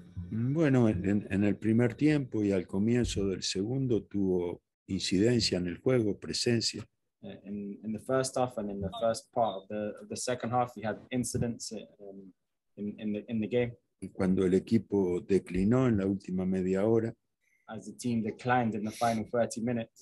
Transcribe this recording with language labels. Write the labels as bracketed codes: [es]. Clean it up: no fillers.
[es] Bueno, en el primer tiempo y al comienzo del segundo tuvo incidencia en el juego, presencia. [en] In the first half and in the first part of the second half, he had incidents in the game. [es] Cuando el equipo declinó en la última media hora, [en] as the team declined in the final 30 minutes,